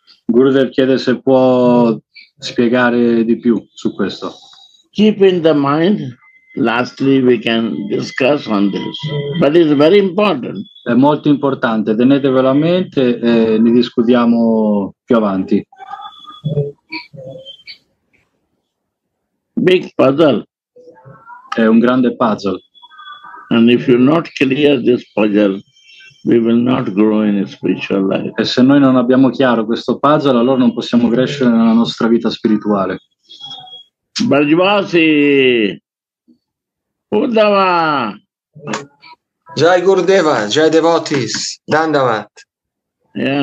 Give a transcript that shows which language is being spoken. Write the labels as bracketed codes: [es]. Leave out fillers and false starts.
[it] Gurudev chiede se può spiegare di più su questo. [en] Keep in the mind, lastly we can discuss on this, but it's very important. [it] È molto importante, tenetevelo a mente e ne discutiamo più avanti. [en] Big puzzle. [it] È un grande puzzle. [en] And if you're not clear this puzzle, we will not grow in a spiritual life. [it] E se noi non abbiamo chiaro questo puzzle, allora non possiamo crescere nella nostra vita spirituale. Bhajvasi! Uddhava! Jai Gurudeva, Jai Devotis, Dandavat. [en] Yeah.